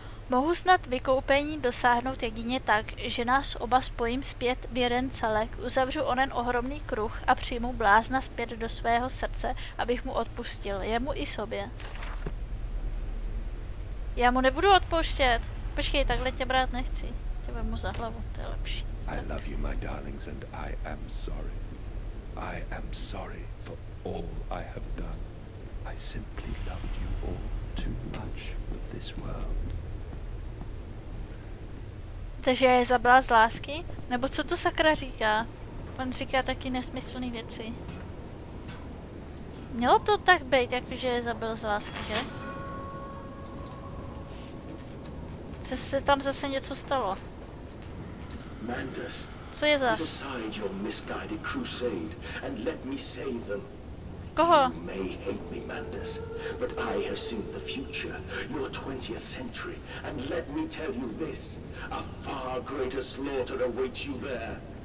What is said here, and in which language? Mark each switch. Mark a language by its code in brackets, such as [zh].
[cs] Mohu snad vykoupení dosáhnout jedině tak, že nás oba spojím zpět v jeden celek, uzavřu onen ohromný kruh a přijmu blázna zpět do svého srdce, abych mu odpustil, jemu i sobě. Já mu nebudu odpouštět. Počkej, takhle tě brát nechci. Tě vemu za hlavu, to je lepší. [en] I love you, my darlings, and I am sorry. I am sorry for all I have done. I simply loved you all too much for this world. [cs] Takže já je zabila z lásky? Nebo co to sakra říká? On říká taky nesmyslné věci. Mělo to tak být, jakože je zabil z lásky, že? Co se tam zase něco stalo? Mandus. Co je zas? [en] Put your misguided crusade and let me save them. [cs] Koho? [en] You may hate me, Mandus, but I have seen the future, your 20th century, and let me tell you this, a far greater slaughter awaits you there.